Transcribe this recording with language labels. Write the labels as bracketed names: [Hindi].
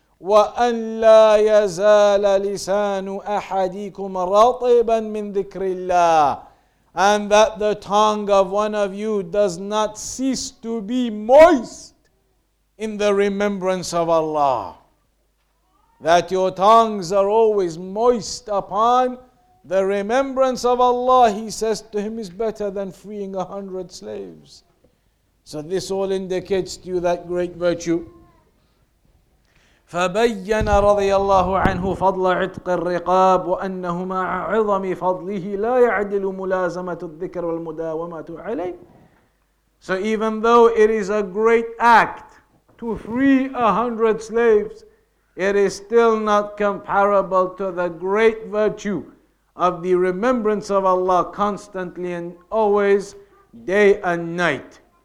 [Arabic] وَأَنْ لَا يَزَالَ لِسَانُ أَحَدِيكُمْ رَطِبًا مِنْ ذِكْرِ اللَّهِ [English] And that the tongue of one of you does not cease to be moist in the remembrance of Allah. That your tongues are always moist upon the remembrance of Allah, he says to him, is better than freeing 100 slaves. So this all indicates to you that great virtue. [Arabic] فبين رضي الله عنه فضل عتق الرقاب وأنه مع عظم فضله لا يعدل ملازمة الذكر والمداومة عليه. [English] So even though it is a great act to free 100 slaves, it is still not comparable to the great virtue of the remembrance of Allah constantly and always, day and night.